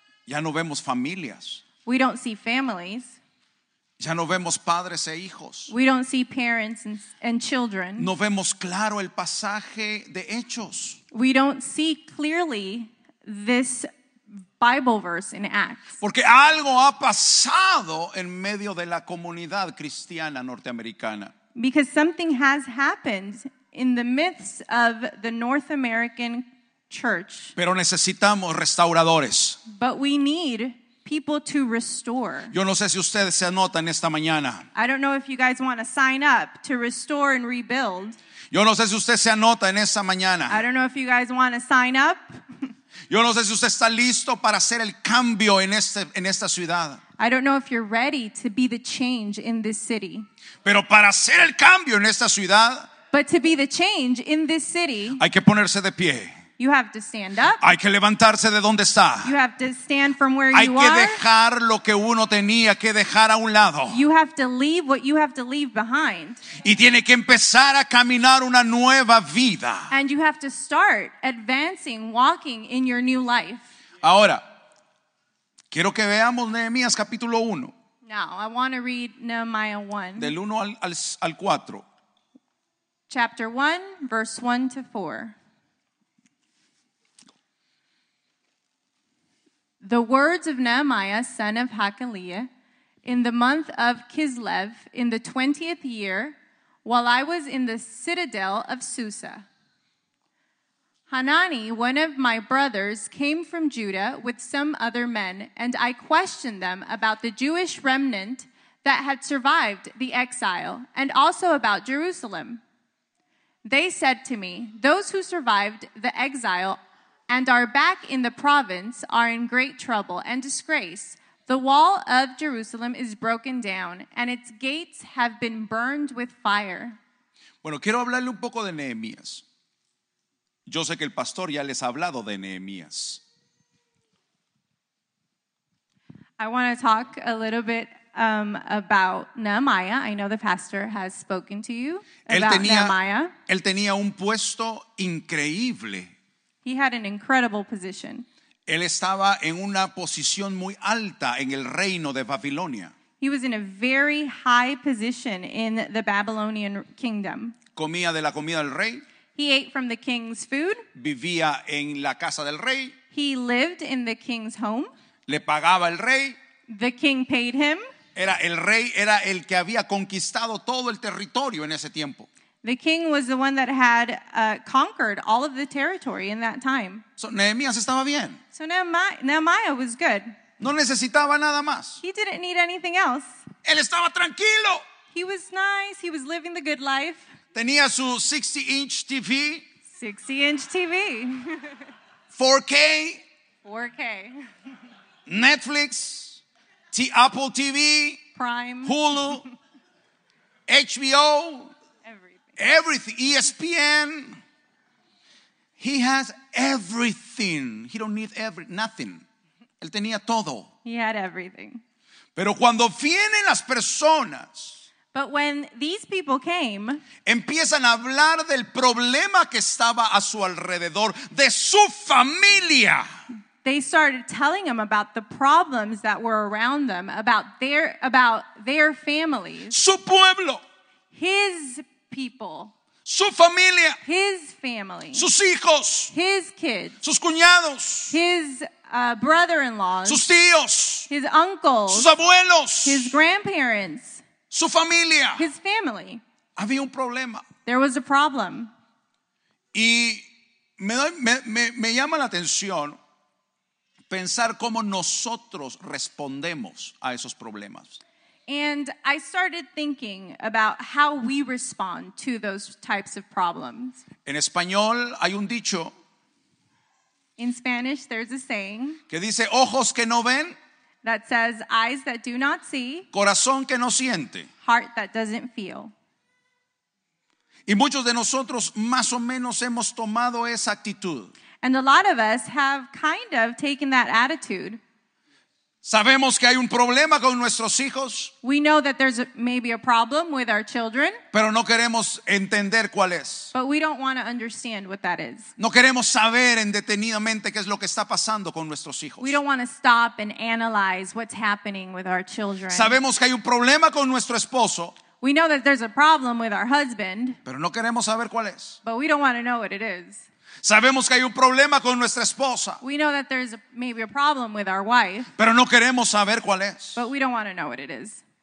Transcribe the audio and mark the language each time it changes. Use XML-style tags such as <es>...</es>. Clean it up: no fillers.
<es>Ya no vemos familias.</es> <en>We don't see families.</en> <es>Ya no vemos padres e hijos.</es> <en>We don't see parents and children.</en> <es>No vemos claro el pasaje de Hechos.</es> <en>We don't see clearly this Bible verse in Acts.</en> <es>Porque algo ha pasado en medio de la comunidad cristiana norteamericana.</es> <en>Because something has happened in the midst of the North American church.</en> <es>Pero necesitamos restauradores.</es> <en>But we need people to restore.</en> <es>Yo no sé si ustedes se anotan esta mañana.</es> <en>I don't know if you guys want to sign up to restore and rebuild.</en> <es>Yo no sé si usted se anota en esta mañana.</es> <en>I don't know if you guys want to sign up.</en> <es>Yo no sé si usted está listo para hacer el cambio en esta ciudad.</es> <en>I don't know if you're ready to be the change in this city.</en> <es>Pero para hacer el cambio en esta ciudad,</es> <en>but to be the change in this city,</en> <es>hay que ponerse de pie.</es> <en>You have to stand up.</en> <es>Hay que levantarse de donde está.</es> <en>You have to stand from where</en> <es>hay</es> <en>you</en> <es>que</es> <en>are.</en> <es>Dejar lo que uno tenía que dejar a un lado.</es> <en>You have to leave what you have to leave behind.</en> <es>Y tiene que empezar a caminar una nueva vida.</es> <en>And you have to start advancing, walking in your new life.</en> <es>Ahora, quiero que veamos Nehemías capítulo 1.</es> <en>Now, I want to read Nehemiah 1.</en> <es>Del 1 al 4.</es> <en>Chapter 1, verse 1 to 4. The words of Nehemiah, son of Hakaliah, in the month of Kislev, in the 20th year, while I was in the citadel of Susa. Hanani, one of my brothers, came from Judah with some other men, and I questioned them about the Jewish remnant that had survived the exile, and also about Jerusalem. They said to me, "Those who survived the exile and are back in the province are in great trouble and disgrace. The wall of Jerusalem is broken down, and its gates have been burned with fire."</en> <es>Bueno, quiero hablarle un poco de Nehemías. Yo sé que el pastor ya les ha hablado de Nehemías.</es> <en>I want to talk a little bit about Nehemiah. I know the pastor has spoken to you about Nehemiah.</en> <es>Él tenía un puesto increíble.</es> <en>He had an incredible position.</en> <es>Él estaba en una posición muy alta en el reino de Babilonia.</es> <en>He was in a very high position in the Babylonian kingdom.</en> <es>Comía de la comida del rey.</es> <en>He ate from the king's food.</en> <es>Vivía en la casa del rey.</es> <en>He lived in the king's home.</en> <es>Le pagaba el rey.</es> <en>The king paid him.</en> <es>Era el rey, era el que había conquistado todo el territorio en ese tiempo.</es> <en>The king was the one that had conquered all of the territory in that time.</en> <es>So Nehemías estaba bien.</es> <en>So Nehemiah was good.</en> <es>No necesitaba nada más.</es> <en>He didn't need anything else.</en> <es>Él estaba tranquilo.</es> <en>He was nice. He was living the good life.</en> <es>Tenía su 60-inch TV.</es> <en>60-inch TV. 4K. 4K. Netflix. Apple TV. Prime. Hulu. HBO. Everything. ESPN. He has everything. He don't need nothing.</en> <es>Él tenía todo.</es> <en>He had everything.</en> <es>Pero cuando vienen las personas.</es> <en>But when these people came.</en> <es>Empiezan a hablar del problema que estaba a su alrededor. De su familia.</es> <en>They started telling him about the problems that were around them. About their families.</en> <es>Su pueblo.</es> <en>His people.</en> <es>Su familia.</es> <en>His family.</en> <es>Sus hijos.</es> <en>His kids.</en> <es>Sus cuñados.</es> <en>His brother-in-laws.</en> <es>Sus tíos.</es> <en>His uncles.</en> <es>Sus abuelos.</es> <en>His grandparents.</en> <es>Su familia.</es> <en>His family.</en> <es>Había un problema.</es> <en>There was a problem.</en> <es>Y me llama la atención pensar cómo nosotros respondemos a esos problemas.</es> <en>And I started thinking about how we respond to those types of problems.</en> <es>En español hay un dicho.</es> <en>In Spanish, there's a saying.</en> <es>Que dice, ojos que no ven.</es> <en>That says, eyes that do not see.</en> <es>Corazón que no siente.</es> <en>Heart that doesn't feel.</en> <es>Y muchos de nosotros más o menos hemos tomado esa actitud.</es> <en>And a lot of us have kind of taken that attitude.</en> <es>Sabemos que hay un problema con nuestros hijos.</es> <en>We know that there's maybe a problem with our children.</en> <es>Pero no queremos entender cuál es.</es> <en>But we don't want to understand what that is.</en> <es>No queremos saber en detenidamente qué es lo que está pasando con nuestros hijos.</es> <en>We don't want to stop and analyze what's happening with our children.</en> <es>Sabemos que hay un problema con nuestro esposo.</es> <en>We know that there's a problem with our husband.</en> <es>Pero no queremos saber cuál es.</es> <en>But we don't want to know what it is.</en> <es>Sabemos que hay un problema con nuestra esposa.</es> <en>We know that there's maybe a problem with our wife.</en> <es>Pero no queremos saber cuál es.</es> <en>But we don't want to know what it is.</en>